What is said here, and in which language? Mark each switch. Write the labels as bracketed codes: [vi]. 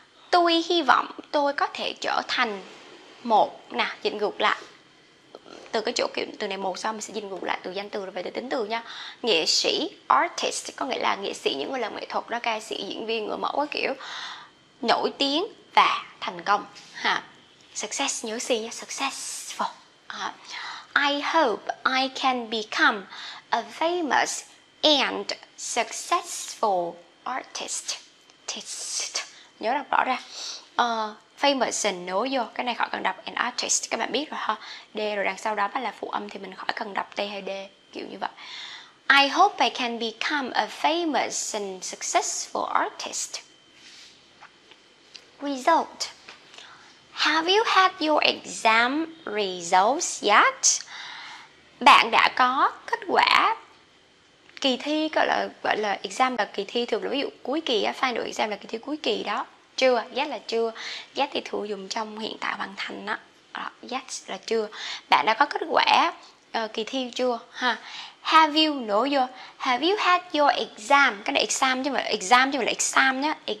[vi] Tôi hy vọng tôi có thể trở thành một, nè, dịch ngược lại. Từ cái chỗ kiểu từ này một sau mình sẽ dịch ngược lại từ danh từ rồi về từ tính từ nha. Nghệ sĩ, artist có nghĩa là nghệ sĩ, những người làm nghệ thuật đó, ca sĩ, diễn viên, người mẫu, kiểu nổi tiếng và thành công. Ha. Success, nhớ gì nha, successful. [en] I hope I can become a famous and successful artist. Test. [vi] Nhớ đọc rõ ra. [en] Famous and know your. [vi] Cái này khỏi cần đọc an artist. Các bạn biết rồi ha. D rồi đằng sau đó là phụ âm thì mình khỏi cần đọc T hay D. Kiểu như vậy. [en] I hope I can become a famous and successful artist. Result. Have you had your exam results yet? [vi] Bạn đã có kết quả kỳ thi, gọi là exam là kỳ thi, thường là ví dụ cuối kỳ á, final exam là kỳ thi cuối kỳ đó. Chưa, yet là chưa. Yet thì thường dùng trong hiện tại hoàn thành đó. Đó, yet là chưa. Bạn đã có kết quả kỳ thi chưa? Ha. [en] Have you, no your, have you had your exam? [vi] Cái này exam chứ mà là exam nhá.